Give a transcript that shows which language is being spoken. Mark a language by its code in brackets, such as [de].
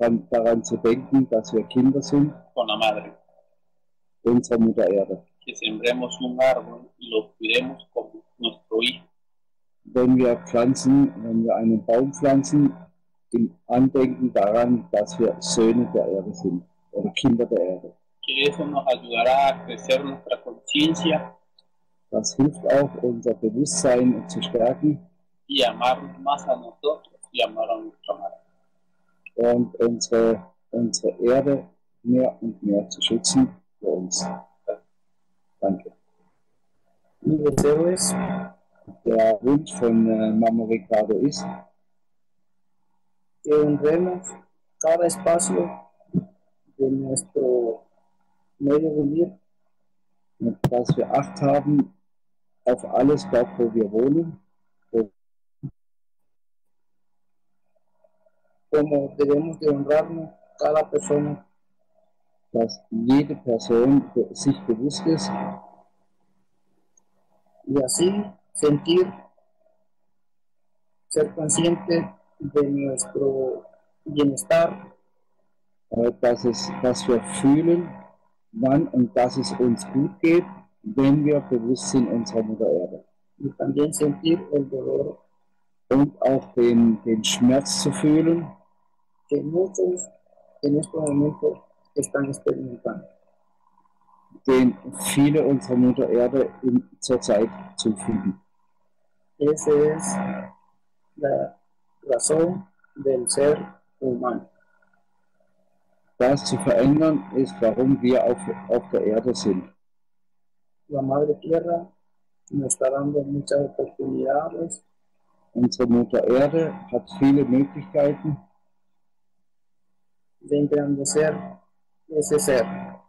[de] daran zu denken, dass wir Kinder sind [es] con la madre. [de] Unserer Mutter Erde. [es] Que sembremos un árbol y lo cuidemos como nuestro hijo. [de] Wenn wir pflanzen, wenn wir einen Baum pflanzen, im Andenken daran, dass wir Söhne der Erde sind oder Kinder der Erde. [es] Que eso nos ayudará a crecer nuestra conciencia. [de] Das hilft auch, unser Bewusstsein zu stärken. [es] Y amar más a nosotros y amar a nuestra madre. [de] Und unsere Erde mehr und mehr zu schützen für uns. Danke. [es] Mi deseo es, [de] der Wunsch von Mama Ricardo ist, [es] que honremos cada espacio de nuestro medio vivir, [de] dass wir Acht haben auf alles dort, wo wir wohnen, [es] como debemos de honrarnos cada persona, [de] dass jede Person sich bewusst ist. [es] Y así sentir, ser consciente de nuestro bienestar. [de] Dass wir fühlen, wann und dass es uns gut geht, wenn wir bewusst sind unserer Mutter Erde. [es] Y también sentir el dolor. [de] Und auch den Schmerz zu fühlen, [es] que muchos en este momento están experimentando. [de] Den viele unserer Mutter Erde zurzeit zufügen. [es] Esa es la razón del ser humano. [de] Das zu verändern ist, warum wir auf der Erde sind. [es] La Madre Tierra nos está dando muchas oportunidades. [de] Unsere Mutter Erde hat viele Möglichkeiten. [es] Vendrán de ser ese ser.